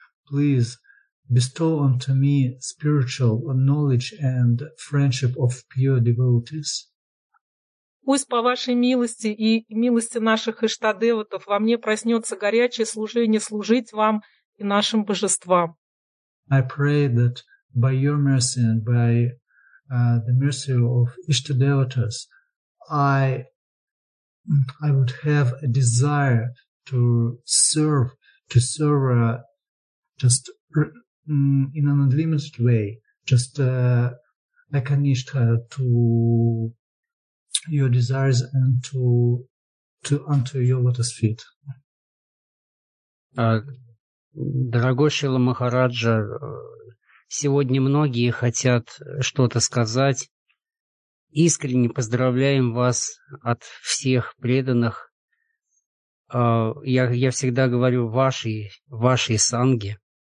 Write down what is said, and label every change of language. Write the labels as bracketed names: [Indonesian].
[English] Please bestow unto me spiritual knowledge and friendship of pure devotees. [Russian] Пусть по вашей милости и милости наших иштадеватов во мне проснется горячее служение служить вам и нашим божествам. [English] I pray that by your mercy and by the mercy of Ishtadevatas, I would have a desire to serve in an unlimited way, just like Anishtha to your desires and to unto your lotus feet. [Russian] Дорогой Шрила Махараджа, сегодня многие хотят что-то сказать. Искренне поздравляем вас от всех преданных. Я всегда говорю вашей санги.